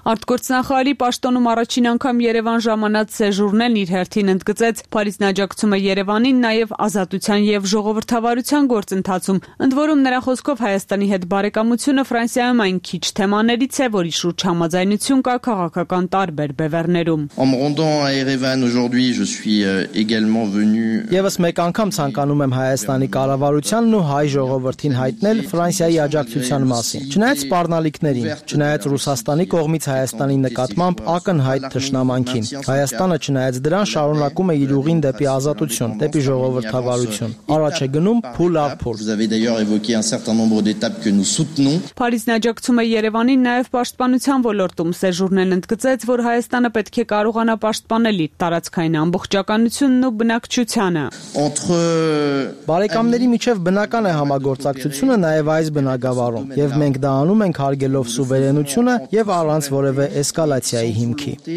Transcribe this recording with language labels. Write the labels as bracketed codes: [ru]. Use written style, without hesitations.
[hy] Արտգործնախարարի պաշտոնում առաջին անգամ Երևան ժամանած սեժուրնեն իր հերթին ընդգծեց Փարիզն աջակցումը Երևանին նաև ազատության և ժողովրդավարության գործընթացում։ Ընդ որում նրա խոսքով Հայաստանի հետ բարեկամությունը Ֆրանսիայում այն քիչ թեմաներից է, որի շուրջ համաձայնություն կա քաղաքական տարբեր բևեռներում։ [fr] En me rendant à Erevan aujourd'hui, je suis également venu. [hy] Եվս մեկ անգամ ցանկանում եմ Հայաստանի կառավարությանն ու հայ ժողովրդին հայտնել Ֆրանսիայի աջակցության մասին։ Չնայած սպառնալիքներին, չնայած Ռուսաստանի կողմից Հայաստանի նկատմամբ ակնհայտ թշնամանքին, Հայաստանը չնայած դրան շարունակում է իր ուղին դեպի ազատություն, դեպի ժողովրդավարություն։ Առաջ է գնում փուլ առ փուլ։ [fr] Vous avez d'ailleurs évoqué un certain nombre d'étapes que nous soutenons. [hy] Փարիզն աջակցումը Երևանին նաև պաշտպանության ոլորտում սեժուրնեն ընդգծեց, որ Հայաստանը պետք է կարողանա պաշտպանել իր տարածքային ամբողջականությունն ու բնակչությունը։ [fr] Entre [hy] բարեկամների միջև բնական է համագործակցությունը նաև այս բնագավառում, եւ մենք դա անում ենք հարգելով սուվերենությունը եւ առանց որևէ էսկալացիայի հիմքի։